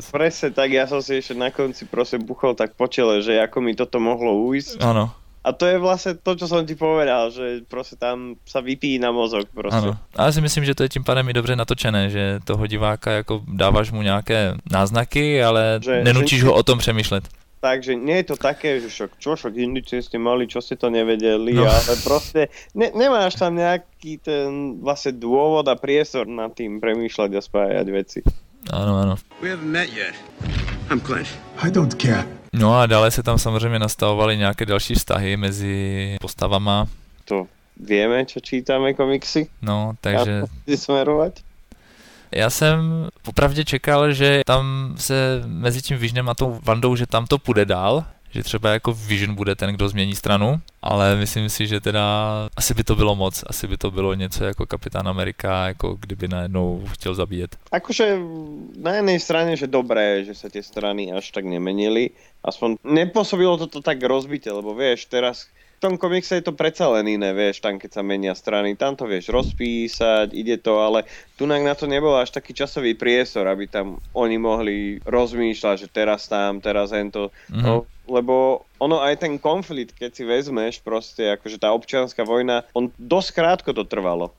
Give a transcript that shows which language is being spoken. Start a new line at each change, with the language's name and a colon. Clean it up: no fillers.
Czech: Presne tak, já jsem si ještě na konci prostě buchol tak po čele, že jako mi toto mohlo ujít. Ano. A to je vlastně to, co jsem ti povedal, že prostě tam se vypíjí na mozok prostě. Ano. A já si myslím, že to je tím pádem i dobře natočené, že toho diváka jako dáváš mu nějaké náznaky, ale že, nenutíš ho o tom přemýšlet.
Slovak: Takže nie je to také, že šok, čo šok, indičie ste mali, čo ste to nevedeli, no. Ale proste nemáš tam nejaký ten vlastne dôvod a priestor nad tým premýšľať a spájať veci. Áno, áno.
English: We haven't met yet. I'm Clint. I don't care.
Slovak: No a dále sa tam samozrejme nastavovali nejaké ďalšie vztahy medzi postavama. To vieme, čo čítame komiksy. No, takže... Ja to smerovať.
Czech: Já jsem popravdě čekal, že tam se mezi tím Visionem a tou Wandou, že tam to půjde dál, že třeba jako Vision bude ten, kdo změní stranu, ale myslím si, že teda asi by to bylo moc, asi by to bylo něco jako Kapitán Amerika, jako kdyby najednou chtěl zabíjet. Akože na jedné straně, že dobré, že se ty strany až tak nemenili, aspoň nepůsobilo to tak rozbitě, lebo víš, teraz...
Slovak: V tom komikse je to predsa len iné, vieš, tam keď sa menia strany, tam to vieš rozpísať, ide to, ale tunak na to nebol až taký časový priestor, aby tam oni mohli rozmýšľať, že teraz tam, teraz hento. Mm-hmm. No, lebo ono aj ten konflikt, keď si vezmeš proste, akože tá občianska vojna, on dosť krátko to trvalo.